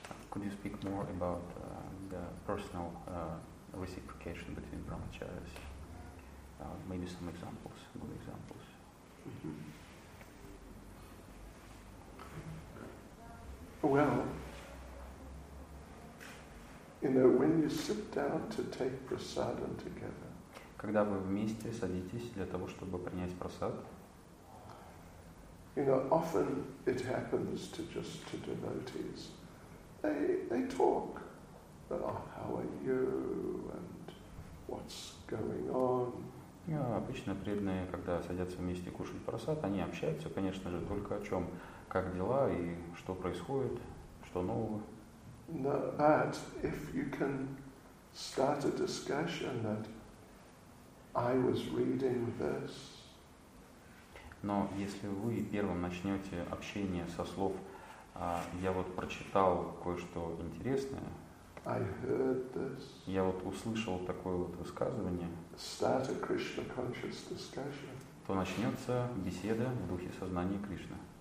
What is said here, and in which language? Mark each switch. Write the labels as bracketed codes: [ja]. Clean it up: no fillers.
[en] Could you speak more about the personal reciprocation between brahmacharis? Maybe some examples, good examples. Mm-hmm. Well, you know, when you sit down to take prasadam together. [ru] Когда вы вместе садитесь для того, чтобы принять прасад. [en] You know, often it happens to just to devotees. They talk, but how are you and what's going on? [ru] Yeah, обычно преданные, когда садятся вместе кушать просад, они общаются, конечно же, только о чем, как дела и что происходит, что нового. [en] No, but if you can start a discussion that I was reading this. [ru] Но если вы первым начнете общение со слов «я вот прочитал кое-что интересное», [en] I heard this. [ru] «Я вот услышал такое вот высказывание», [en] Start a Krishna conscious discussion. [ru] То начнется беседа в духе сознания Кришны.